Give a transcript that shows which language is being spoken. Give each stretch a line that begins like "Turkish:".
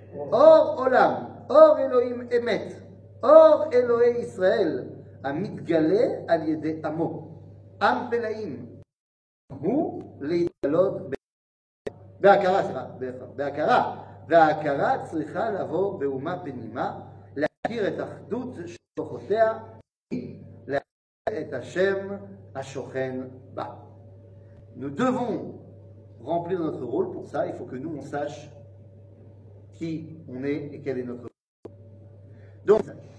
Hebrew: Or olam, or Elohim emet, or Elohe Israël, amit galé al yede amo, am pelaim, hu leitalot בהכרה, סליחה, בהכרה. וההכרה צריכה לבוא באומה פנימה, להכיר את אחדות שלוחותיה, להכיר את השם השוכן בה.
French: Nous devons remplir notre rôle pour ça. Il faut que nous, on sache qui on est et quel est notre rôle. Donc, ça commence dans la communauté